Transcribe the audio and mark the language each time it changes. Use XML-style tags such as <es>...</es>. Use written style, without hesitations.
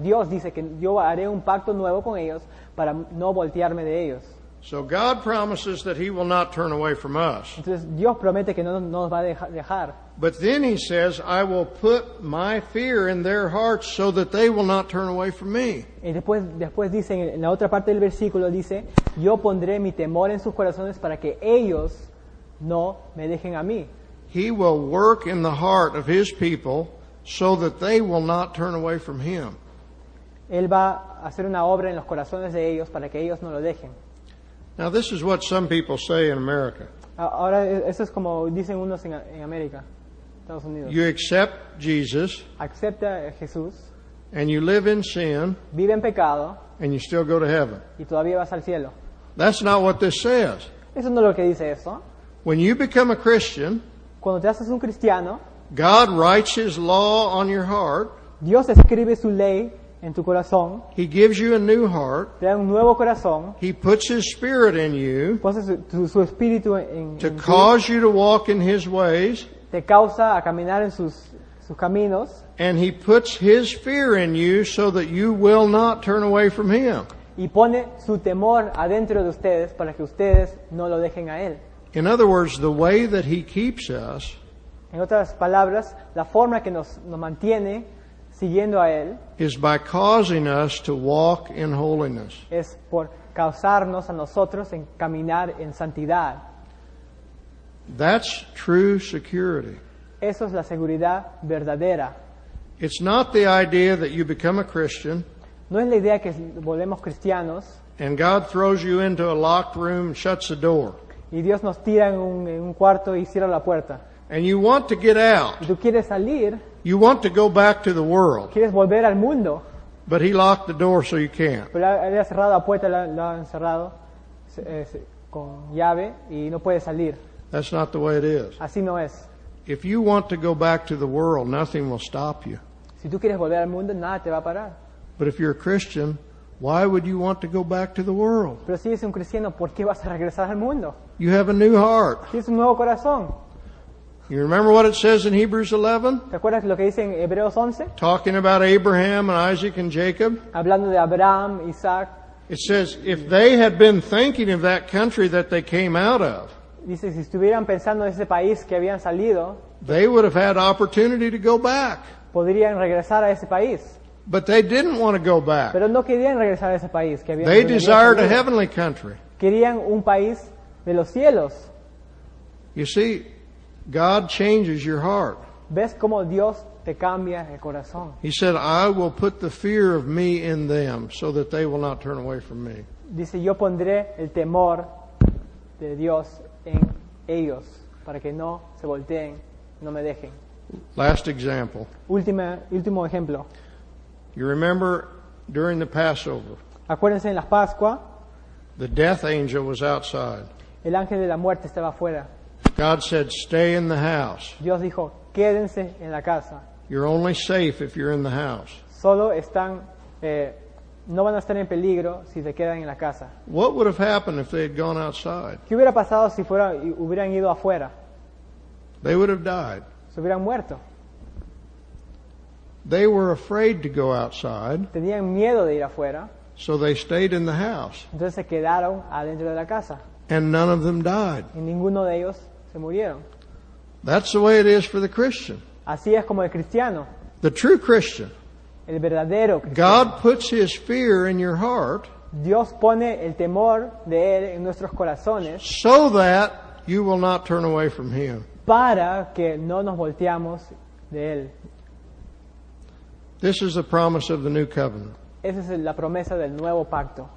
<es>Dios dice que yo haré un pacto nuevo con ellos para no voltearme de ellos.</es> <en>So God promises that he will not turn away from us.</en> <es>Entonces Dios promete que no nos va a dejar.</es> <en>But then he says, I will put my fear in their hearts so that they will not turn away from me.</en> <es>Y después dice, en la otra parte del versículo dice, yo pondré mi temor en sus corazones para que ellos no me dejen a mí.</es> <en>He will work in the heart of his people so that they will not turn away from him.</en> <es>Él va a hacer una obra en los corazones de ellos para que ellos no lo dejen.</es> <en>Now this is what some people say in America.</en> <es>Ahora eso es como dicen unos en América, Estados Unidos.</es> <en>You accept Jesus.</en> <es>Acepta a Jesús.</es> <en>And you live in sin.</en> <es>Vive en pecado.</es> <en>And you still go to heaven.</en> <es>Y todavía vas al cielo.</es> <en>That's not what this says.</en> <es>Eso no es lo que dice eso.</es> <en>When you become a Christian,</en> <es>cuando te haces un cristiano,</es> <en>God writes his law on your heart.</en> <es>Dios escribe su ley en tu corazón.</es> <en>He gives you a new heart.</en> <es>Te da un nuevo corazón.</es> <en>He puts his spirit in you.</en> <es>Pones su espíritu en</es> <en>to cause you to walk in his ways.</en> <es>Te causa a caminar en sus caminos.</es> <en>And he puts his fear in you so that you will not turn away from him.</en> <es>Y pone su temor adentro de ustedes para que ustedes no lo dejen a él.</es> <en>In other words, the way that he keeps us.</en> <es>En otras palabras, la forma que nos mantiene siguiendo a él</es> <en>is by causing us to walk in holiness.</en> <es>Es por causarnos a nosotros en caminar en santidad.</es> <en>That's true security.</en> <es>Eso es la seguridad verdadera.</es> <en>It's not the idea that you become a Christian.</en> <es>No es la idea que volvemos cristianos.</es> <en>And God throws you into a locked room and shuts the door.</en> <es>Y Dios nos tira en un cuarto y cierra la puerta.</es> <en>And you want to get out.</en> <es>Y tú quieres salir.</es> <en>You want to go back to the world.</en> <es>Quieres volver al mundo.</es> <en>But he locked the door so you can't.</en> <es>Pero él ha cerrado la puerta, lo ha encerrado con llave y no puede salir.</es> <en>That's not the way it is.</en> <es>Así no es.</es> <en>If you want to go back to the world, nothing will stop you.</en> <es>Si tú quieres volver al mundo, nada te va a parar.</es> <en>But if you're a Christian, why would you want to go back to the world?</en> <es>Pero si eres un cristiano, ¿por qué vas a regresar al mundo?</es> <en>You have a new heart.</en> <es>Tienes un nuevo corazón.</es> <en>You remember what it says in Hebrews 11?</en> <es>¿Te acuerdas lo que dice en Hebreos 11?</es> <en>Talking about Abraham and Isaac and Jacob.</en> <es>Hablando de Abraham, Isaac.</es> <en>It says, if they had been thinking of that country that they came out of,</en> <es>dice, si estuvieran pensando en ese país que habían salido,</es> <en>they would have had opportunity to go back.</en> <es>Podrían regresar a ese país.</es> <en>But they didn't want to go back.</en> <es>Pero no querían regresar a ese país que habían salido.</es> <en>They desired a heavenly country.</en> <es>Querían un país de los cielos.</es> <en>You see, God changes your heart.</en> <es>¿Ves cómo Dios te cambia el corazón?</es> <en>He said, I will put the fear of me in them so that they will not turn away from me.</en> <es>Dice, yo pondré el temor de Dios en ellos para que no se volteen, no me dejen.</es> <en>Last example.</en> <es>Último ejemplo.</es> <en>You remember during the Passover.</en> <es>Acuérdense en la Pascua.</es> <en>The death angel was outside.</en> <es>El ángel de la muerte estaba afuera.</es> <en>God said, stay in the house.</en> <es>Dios dijo, quédense en la casa.</es> <en>You're only safe if you're in the house.</en> <es>Solo están, no van a estar en peligro si se quedan en la casa.</es> <en>What would have happened if they had gone outside?</en> <es>¿Qué hubiera pasado si fuera, hubieran ido afuera?</es> <en>They would have died.</en> <es>Se hubieran muerto.</es> <en>They were afraid to go outside.</en> <es>Tenían miedo de ir afuera.</es> <en>So they stayed in the house.</en> <es>Entonces se quedaron adentro de la casa.</es> <en>And none of them died.</en> <es>Y ninguno de ellos se murieron.</es> <en>That's the way it is for the Christian.</en> <es>Así es como el cristiano.</es> <en>The true Christian.</en> <es>El verdadero cristiano.</es> <en>God puts his fear in your heart.</en> <es>Dios pone el temor de él en nuestros corazones.</es> <en>So that you will not turn away from him.</en> <es>Para que no nos volteamos de él.</es> <en>This is the promise of the new covenant.</en> <es>Esa es la promesa del nuevo pacto.</es>